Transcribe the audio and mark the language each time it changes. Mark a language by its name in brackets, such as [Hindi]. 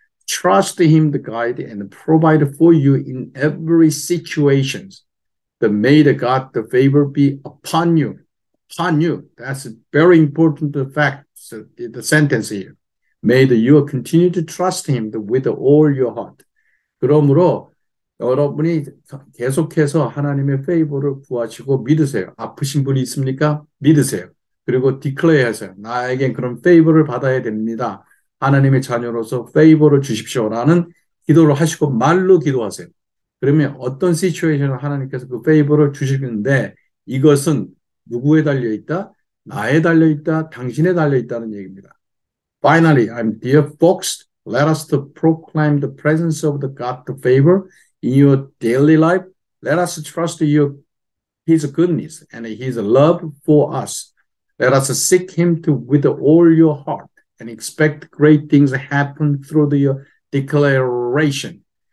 [English] Trust Him to guide and provide for you in every situation. May the God the favor be upon you. Upon you. That's a very important fact, the sentence here. May you continue to trust Him with all your heart. [Korean] 그러므로 여러분이 계속해서 하나님의 페이보를 구하시고 믿으세요. 아프신 분이 있습니까? 믿으세요. 그리고 디클레어하세요. 나에겐 그런 페이보를 받아야 됩니다. 하나님의 자녀로서 페이보를 주십시오라는 기도를 하시고 말로 기도하세요. 그러면 어떤 시츄에이션을 하나님께서 그 페이보를 주시는데 이것은 누구에 달려 있다? 나에 달려 있다. 당신에 달려 있다는 얘기입니다. [English] Finally, I'm dear folks, let us to proclaim the presence of the God the favor. In your daily life, let us trust you, His goodness and His love for us. Let us seek Him to with all your heart and expect great things happen through your declaration.